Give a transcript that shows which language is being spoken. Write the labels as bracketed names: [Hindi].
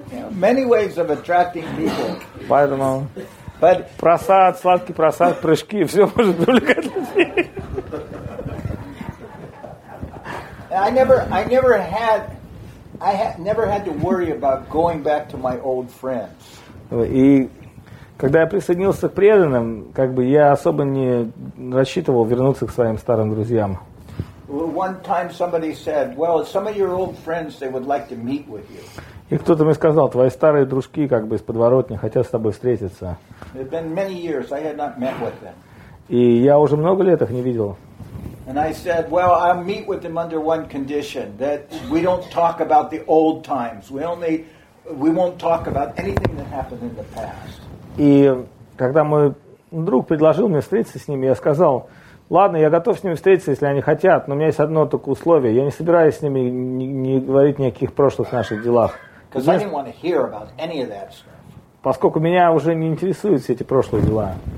[English] Many ways of attracting people. [Russian] Поэтому [English] but, [Russian] просад, сладкий просад, прыжки, все может привлекать людей. [English] I never had to worry about going back to my old friends. [Russian] И Когда я присоединился к преданным, как бы я особо не рассчитывал вернуться к своим старым друзьям. [English] One time somebody said, well, some of your old friends, they would like to meet with you. [Russian] И кто-то мне сказал, твои старые дружки, как бы из подворотни, хотят с тобой встретиться. [English] It had been many years, I had not met with them. [Russian] И я уже много лет их не видел. [English] And I said, well, I'll meet with them under one condition, that we don't talk about the old times. We won't talk about anything that happened in the past. [Russian] И когда мой друг предложил мне встретиться с ними, я сказал, ладно, я готов с ними встретиться, если они хотят, но у меня есть одно только условие. Я не собираюсь с ними не говорить ни о каких прошлых наших делах. Поскольку меня уже не интересуют все эти прошлые дела.